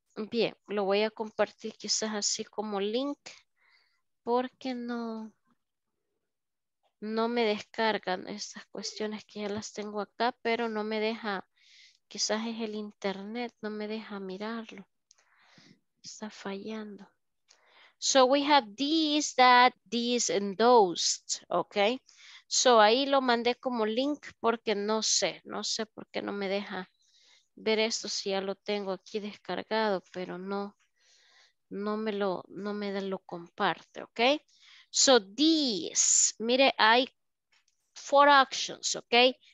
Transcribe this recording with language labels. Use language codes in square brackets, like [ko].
[es] Bien, lo voy a compartir quizás así como link porque no me descargan estas cuestiones que ya las tengo acá, pero no me deja, quizás es el internet, no me deja mirarlo. Está fallando. [en] So we have these, that, these, and those, okay? [es] So ahí lo mandé como link porque no sé por qué no me deja ver esto si ya lo tengo aquí descargado, pero no me lo comparte, okay? So these, mire, hay [en] four options, [es] okay?